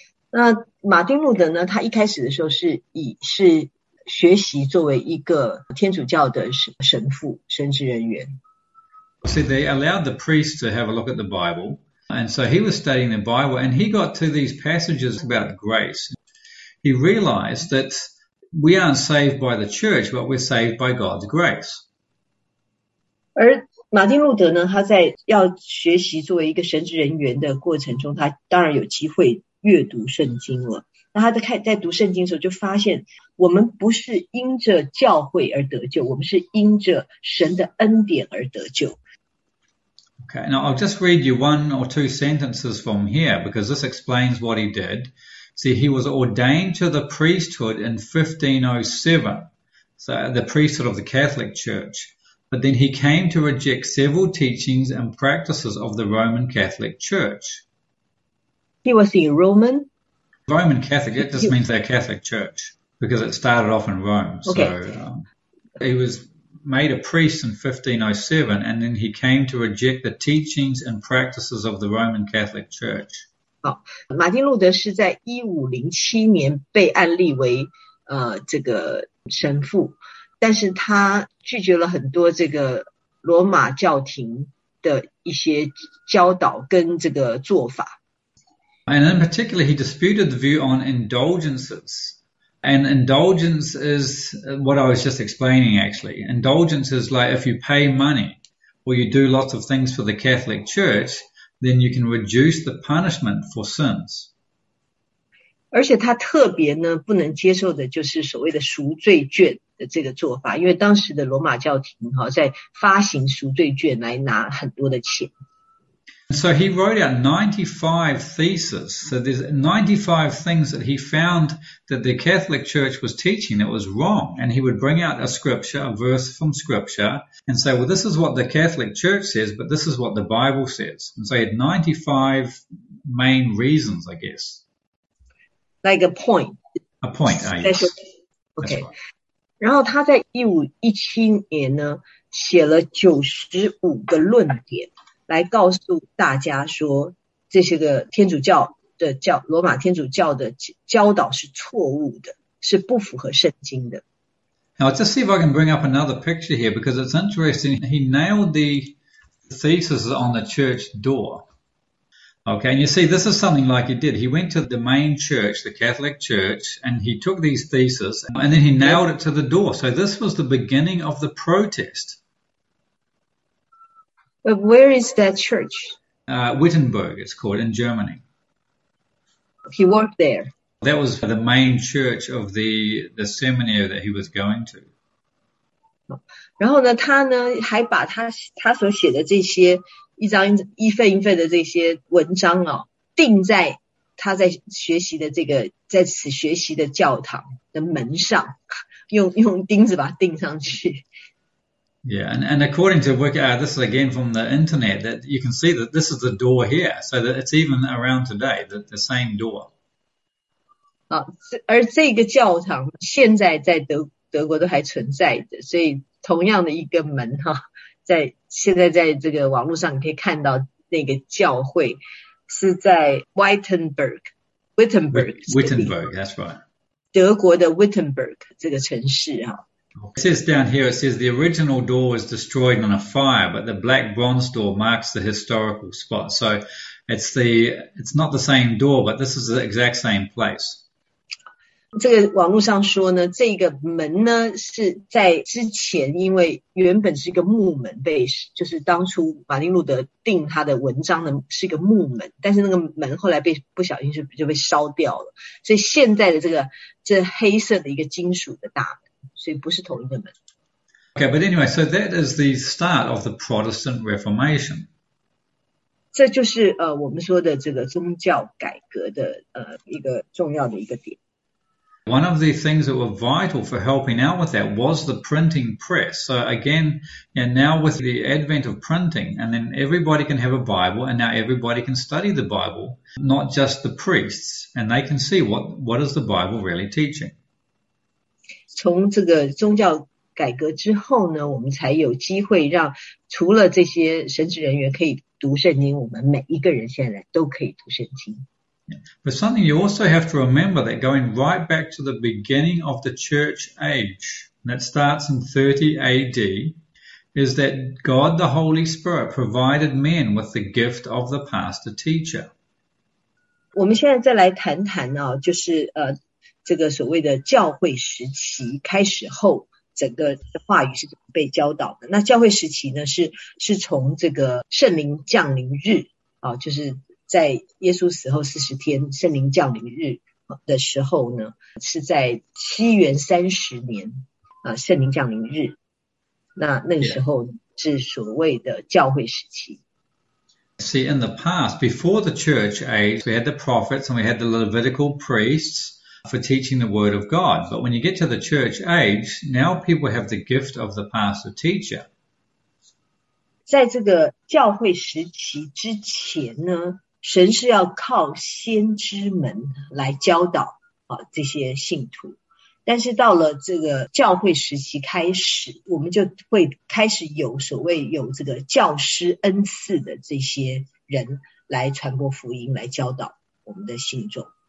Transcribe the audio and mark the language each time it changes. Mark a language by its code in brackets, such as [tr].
[zh] 那马丁路德呢，他一开始的时候是学习作为一个天主教的神父、神职人员。 [en] So they allowed the priest to have a look at the Bible. And so he was studying the Bible and he got to these passages about grace. He realized that we aren't saved by the church, but we're saved by God's grace. [zh] 而马丁路德呢，他在要学习作为一个神职人员的过程中，他当然有机会阅读圣经了。那他在读圣经的时候就发现，我们不是因着教会而得救，我们是因着神的恩典而得救。 [en] Okay, now I'll just read you one or two sentences from here because this explains what he did. See, he was ordained to the priesthood in 1507, so the priesthood of the Catholic Church. But then he came to reject several teachings and practices of the Roman Catholic Church. He was a Roman. Roman Catholic, it just means they're Catholic Church because it started off in Rome. So he was made a priest in 1507, and then he came to reject the teachings and practices of the Roman Catholic Church. [zh] 好，马丁路德是在1507年被案例为这个神父，但是他拒绝了很多这个罗马教廷的一些教导跟这个做法。 [en] And in particular, he disputed the view on indulgences. And indulgence is what I was just explaining, actually. Indulgence is like if you pay money or you do lots of things for the Catholic Church, then you can reduce the punishment for sins. [zh] 而且他特别呢，不能接受的就是所谓的赎罪券的这个做法，因为当时的罗马教廷哈在发行赎罪券来拿很多的钱。 [en] So he wrote out 95 theses. So there's 95 things that he found that the Catholic Church was teaching that was wrong. And he would bring out a scripture, a verse from scripture, and say, well, this is what the Catholic Church says, but this is what the Bible says. And so he had 95 main reasons, I guess. Like a point. A point, I That's guess. That's okay. right. [zh] 然后他在1517年呢，写了95个论点。来告诉大家说，这些个天主教的教，罗马天主教的教导是错误的，是不符合圣经的。 [en] Now, just see if I can bring up another picture here because it's interesting. He nailed the thesis on the church door. Okay, and you see, this is something like he did. He went to the main church, the Catholic Church, and he took these theses and then he nailed it to the door. So this was the beginning of the protest. But where is that church? Wittenberg, it's called in Germany. He worked there. That was the main church of the seminary that he was going to. [zh] 然后呢，他呢还把他所写的这些一张一份一份的这些文章啊，钉在他在学习的这个在此学习的教堂的门上，用钉子把它钉上去。 [en] Yeah, and according to Wikipedia, this is again from the internet, that you can see that this is the door here, so that it's even around today, the same door. [zh] 而这个教堂现在在德国都还存在着，所以同样的一个门哈，现在在这个网络上你可以看到那个教会是在 Wittenberg 这里， [en] Wittenberg, that's right. [zh] 德国的 Wittenberg 这个城市哈。 [en] It says down here, it says the original door was destroyed in a fire, but the black bronze door marks the historical spot. So it's not the same door, but this is the exact same place. [zh] 这个网络上说呢，这个门呢是在之前，因为原本是一个木门被，就是当初马丁路德钉他的文章的是一个木门，但是那个门后来被不小心就被烧掉了，所以现在的这黑色的一个金属的大门。所以不是同一个门。 [en] Okay, but anyway, so that is the start of the Protestant Reformation. [zh] 这就是我们说的这个宗教改革的一个重要的一个点。 [en] One of the things that were vital for helping out with that was the printing press. So again, and now with the advent of printing, and then everybody can have a Bible, and now everybody can study the Bible, not just the priests, and they can see what is the Bible really teaching. [zh] 从这个宗教改革之后呢，我们才有机会让除了这些神职人员可以读圣经，我们每一个人现在都可以读圣经。 [en] But something you also have to remember that going right back to the beginning of the church age, and that starts in 30 AD, is that God the Holy Spirit provided men with the gift of the pastor teacher. [zh] 我们现在再来谈谈啊，就是这个所谓的教会时期开始后，整个话语是怎么被教导的？那教会时期呢，是从这个圣灵降临日啊，就是在耶稣死后40天，圣灵降临日的时候呢，是在西元30年啊，圣灵降临日，那个时候是所谓的教会时期。 [en] See, in the past, before the church age, we had the prophets and we had the Levitical priests for teaching the word of God. But when you get to the church age, now people have the gift of the pastor teacher. [zh] 在这个教会时期之前呢，神是要靠先知们来教导啊这些信徒，但是到了这个教会时期开始，我们就会开始有所谓有这个教师恩赐的这些人来传播福音，来教导我们的信众。